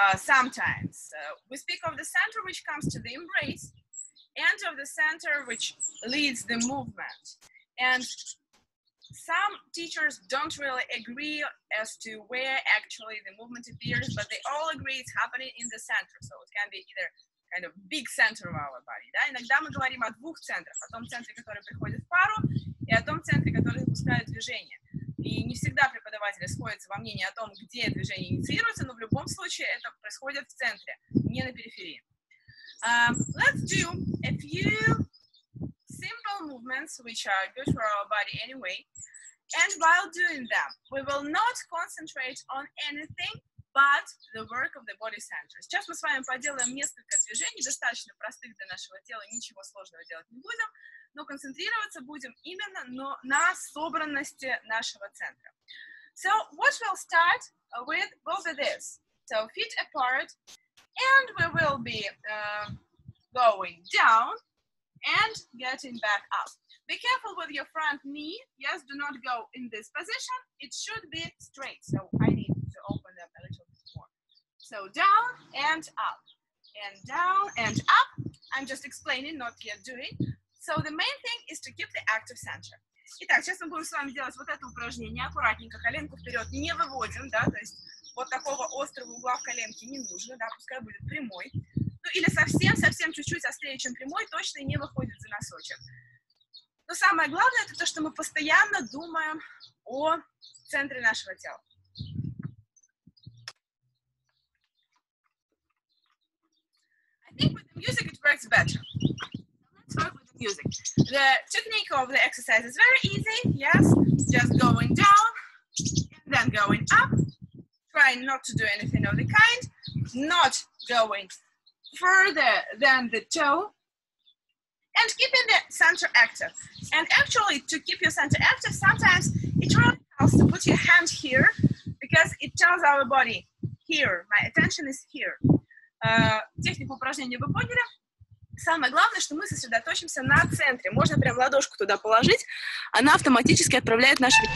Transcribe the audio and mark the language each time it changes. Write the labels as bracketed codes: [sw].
[en] Sometimes we speak of the center which comes to the embrace and of the center which leads the movement. And some teachers don't really agree as to where actually the movement appears, but they all agree it's happening in the center. So it can be either kind of big center of our body. Да? [ru] Иногда мы говорим о двух центрах, о том центре, который приходит в пару, и о том центре, который запускает движение. И не всегда преподаватели сходятся во мнении о том, где движение инициируется, но в любом случае это происходит в центре, не на периферии. [en] Let's do a few simple movements, which are good for our body anyway. And while doing them, we will not concentrate on anything but the work of the body center. [ru] Сейчас мы с вами поделаем несколько движений, достаточно простых для нашего тела, ничего сложного делать не будем. Но концентрироваться будем именно на собранности нашего центра. [en] So what we'll start with will be this. So feet apart, and we will be going down and getting back up. Be careful with your front knee. Yes, do not go in this position. It should be straight. So I need to open them a little bit more. So down and up. And down and up. I'm just explaining, not yet doing. So the main thing is to keep the active center. [ru] Итак, сейчас мы будем с вами делать вот это упражнение. Аккуратненько коленку вперед не выводим, да, то есть вот такого острого угла в коленке не нужно, да, пускай будет прямой. Ну или совсем-совсем чуть-чуть острее, чем прямой, точно не выходит за носочек. Но самое главное, это то, что мы постоянно думаем о центре нашего тела. [en] I think with the music it works better. Music. The technique of the exercise is very easy, yes, just going down, then going up, trying not to do anything of the kind, not going further than the toe, and keeping the center active. And actually, to keep your center active, sometimes it really helps to put your hand here, because it tells our body, here, my attention is here. [ru] Технику упражнения вы поняли? Самое главное, что мы сосредоточимся на центре. Можно прям ладошку туда положить, она автоматически отправляет наш...